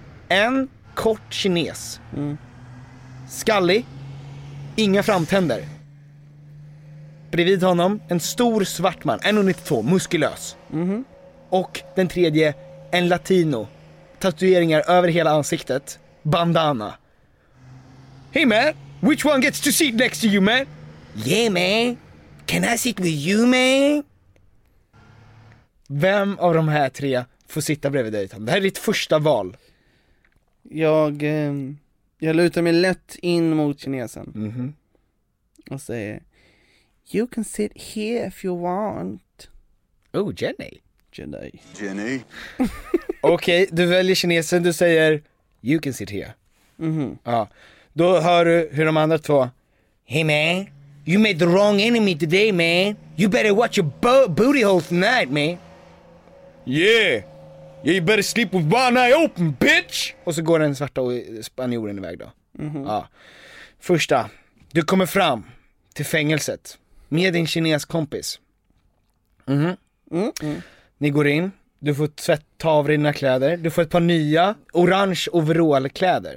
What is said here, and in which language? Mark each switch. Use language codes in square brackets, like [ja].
[sv] En kort kines. Skallig. Inga framtänder. Bredvid honom en stor svart man, 1,92, muskulös. Och den tredje en latino. Tatueringar över hela ansiktet. Bandana. [en] Hey man, which one gets to sit next to you man? Yeah man, can I sit with you, man? [sv] Vem av de här tre får sitta bredvid dig, Tom? Det här är ditt första val. Jag lutar mig lätt in mot kinesen. Och säger: [en] you can sit here if you want. Oh, Jenny. Jenny. Jenny. [sv] Okej, okay, du väljer kinesen. Du säger: [en] you can sit here. Mm-hmm. [sv] Ja. Då hör du hur de andra två: [en] hey, man, you made the wrong enemy today, man. You better watch your booty hole tonight, man. Yeah, you better sleep with one eye open, bitch. [sv] Och så går den svarta spanjoren iväg då. Mm-hmm. Ja. Första, du kommer fram till fängelset med din kinesisk kompis. Ni går in. Du får ta av dina kläder. Du får ett par nya orange overallkläder.